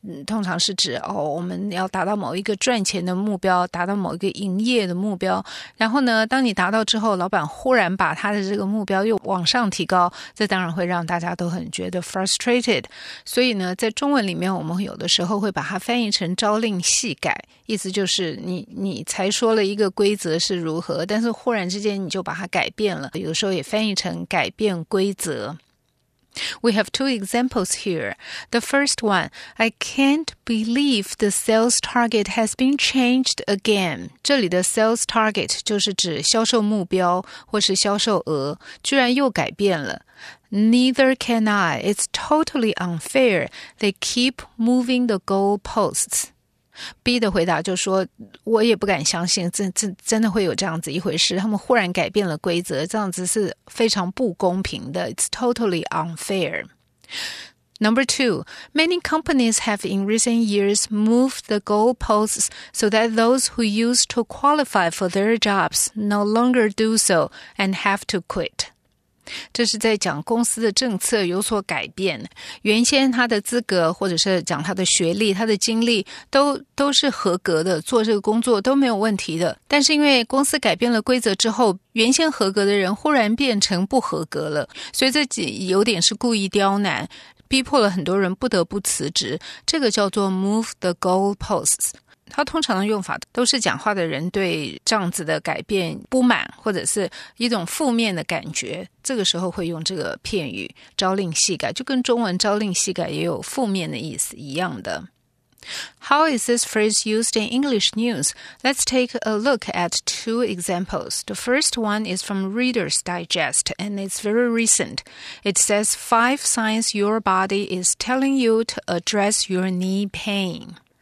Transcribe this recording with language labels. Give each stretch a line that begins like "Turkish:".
Chinese: 通常是指、我们要达到某一个赚钱的目标达到某一个营业的目标然后呢当你达到之后老板忽然把他的这个目标又往上提高这当然会让大家都很觉得 frustrated 所以呢在中文里面我们有的时候会把它翻译成朝令夕改意思就是你才说了一个规则是如何但是忽然之间你就把它改变了有时候也翻译成改变规则
English: We have two examples here. The first one, I can't believe the sales target has been changed again.
Chinese: 这里的 sales target 就是指销售目标或是销售额，居然又改变了。
English: Neither can I. It's totally unfair. They keep moving the goalposts.
Chinese: B 的回答就说我也不敢相信真的会有这样子一回事他们忽然改变了规则这样子是非常不公平的
English: It's totally unfair Number two Many companies have in recent years moved the goalposts so that those who used to qualify for their jobs no longer do so and have to quit
Chinese: 这是在讲公司的政策有所改变原先他的资格或者是讲他的学历他的经历都是合格的做这个工作都没有问题的但是因为公司改变了规则之后原先合格的人忽然变成不合格了所以这有点是故意刁难逼迫了很多人不得不辞职这个叫做
English: move the goalposts
Chinese: 它通常的用法都是讲话的人对这样子的改变不满或者是一种负面的感觉这个时候会用这个片语朝令夕改就跟中文朝令夕改也有负面的意思一样的
English: How is this phrase used in English news? Let's take a look at two examples. The first one is from Reader's Digest and it's very recent. It says five signs your body is telling you to address your knee pain.